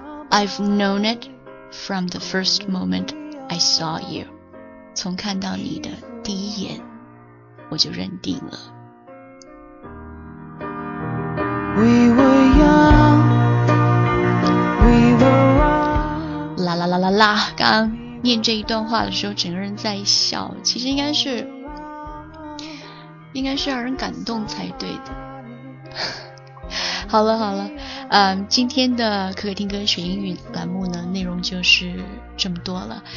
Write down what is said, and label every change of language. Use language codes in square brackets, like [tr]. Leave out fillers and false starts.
[en] I've known it from the first moment I saw you. [zh] 从看到你的第一眼，我就认定了。 [en] We were young, we were wrong. [zh] 啦啦啦啦啦！刚念这一段话的时候，整个人在笑。其实应该是应该是让人感动才对的。好了好了，今天的可可听歌学英语栏目呢，内容就是这么多了。